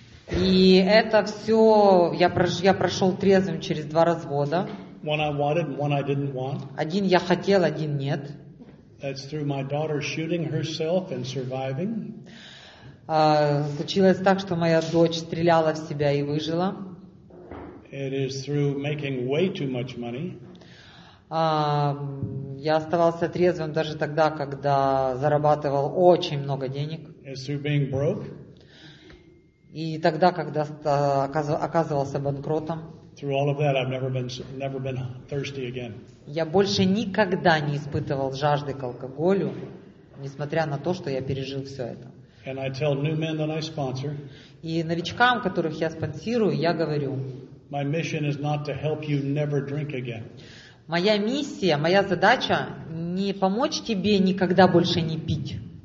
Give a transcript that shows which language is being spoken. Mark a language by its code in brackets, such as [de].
[ru] И это все, я прошел трезвым через два развода. [en] One I wanted, one I didn't want. [ru] Один я хотел, один нет. [en] That's through my daughter shooting herself and surviving. [ru] Случилось так, что моя дочь стреляла в себя и выжила. [en] It is through making way too much money. [ru] Я оставался трезвым даже тогда, когда зарабатывал очень много денег. [en] As through being broke. [ru] И тогда, когда оказывался банкротом. [en] Through all of that, I've never been thirsty again. [ru] Я больше никогда не испытывал жажды к алкоголю, несмотря на то, что я пережил все это. [en] And I tell new men that I sponsor. [ru] И новичкам, которых я спонсирую, я говорю. [en] My mission is not to help you never drink again. [ru] Моя миссия, моя задача не помочь тебе никогда больше не пить.